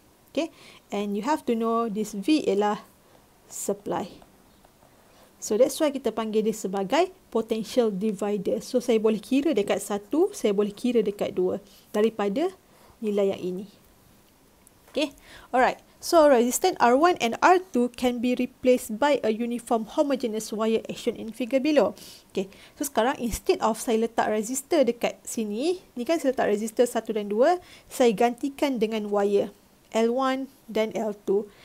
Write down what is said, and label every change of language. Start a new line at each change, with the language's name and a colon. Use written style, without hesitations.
English: Okay, and you have to know this V
Malay: ialah supply. So, that's why kita panggil dia sebagai potential divider. So, saya boleh kira dekat 1, saya boleh kira dekat 2 daripada nilai yang ini.
English: Okay, alright. So, resistance R1 and R2 can be replaced by a uniform homogeneous wire as shown in figure below.
Malay: Okay, so sekarang instead of saya letak resistor dekat sini, ni kan saya letak resistor 1 dan 2, saya gantikan dengan wire L1 dan L2.